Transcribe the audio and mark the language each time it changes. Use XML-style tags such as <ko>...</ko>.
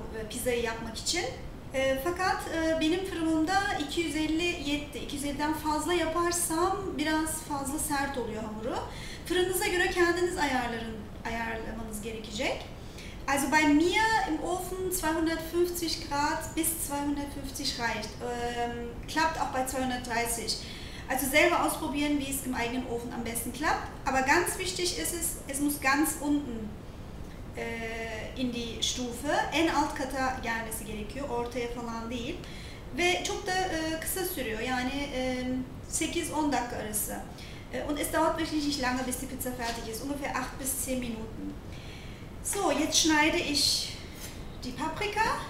<tr>Pizzayı yapmak için. Fakat benim fırınımda 250 yetti. 250'den fazla yaparsam biraz fazla sert oluyor hamuru. Fırınıza göre kendiniz ayarlamanız gerekecek.</tr> <de>Also bei mir im Ofen 250 Grad bis 250 reicht. Klappt auch bei 230. Also selber ausprobieren, wie es im eigenen Ofen am besten klappt. Aber ganz wichtig ist es, es muss ganz unten in die Stufe,</de> <tr>en alt kata gelmesi gerekiyor, ortaya falan değil. Ve çok da kısa sürüyor, yani 8-10 dakika arası.</tr> <de>Und es dauert wirklich nicht lange, bis die Pizza fertig ist, ungefähr 8 bis 10 Minuten. So, jetzt schneide ich die Paprika.</de>